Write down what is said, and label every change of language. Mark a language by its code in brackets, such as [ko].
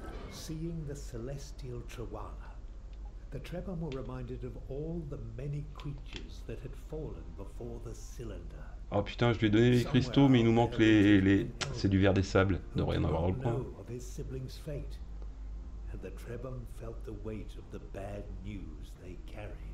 [en] Seeing the celestial Trawala, the Trebon were reminded of all the many creatures that had fallen before the cylinder. [fr] Oh putain, je lui ai donné les cristaux, mais il nous manque les... C'est du verre des sables, de rien avoir le coin. [en] Of his siblings' fate, and the Trebon felt the weight of the bad news they carried.